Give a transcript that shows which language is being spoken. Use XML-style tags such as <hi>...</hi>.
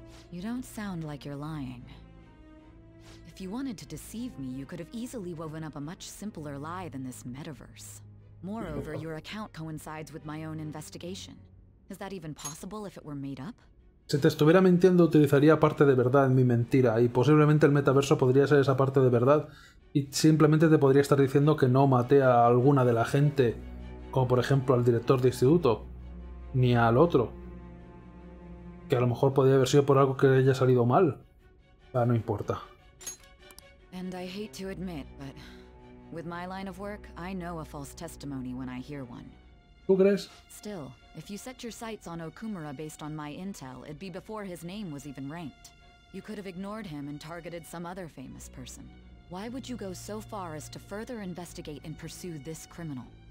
<en>You don't sound like you're lying. If you wanted to deceive me, you could have easily woven up a much simpler lie than this metaverse. Moreover, your account coincides with my own investigation. Is that even possible if it were made up?</en> <es>Si te estuviera mintiendo, utilizaría parte de verdad en mi mentira, y posiblemente el metaverso podría ser esa parte de verdad, y simplemente te podría estar diciendo que no maté a alguna de la gente, como por ejemplo al director de instituto, ni al otro. Que a lo mejor podría haber sido por algo que haya salido mal. Pero no importa.</es> <en>And I hate to admit, but with my line of work, I know a false testimony when I hear one.</en> <es>¿Tú crees?</es> <en>Still, if you set your sights on Okumura based on my intel, it'd be before his name was even ranked. You could have ignored him and targeted some other famous person. Why would you go so far as to further investigate and pursue this criminal?</en>